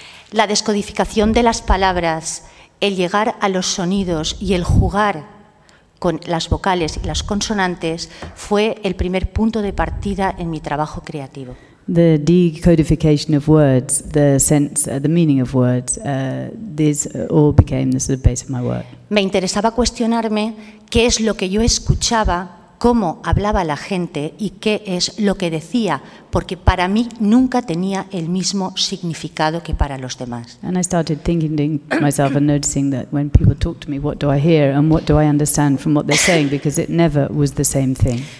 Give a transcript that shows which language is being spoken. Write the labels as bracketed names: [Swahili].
[Spanish] La descodificación de las palabras, el llegar a los sonidos y el jugar con las vocales y las consonantes fue el primer punto de partida en mi trabajo creativo. [English] The decodification of words, the sense, the meaning of words, this all became the sort of base of my work. [Spanish] Me interesaba cuestionarme qué es lo que yo escuchaba, cómo hablaba la gente y qué es lo que decía, porque para mí nunca tenía el mismo significado que para los demás. [English] And I started thinking to myself and noticing that when people talk to me, what do I hear and what do I understand from what they're saying, because it never was the same thing.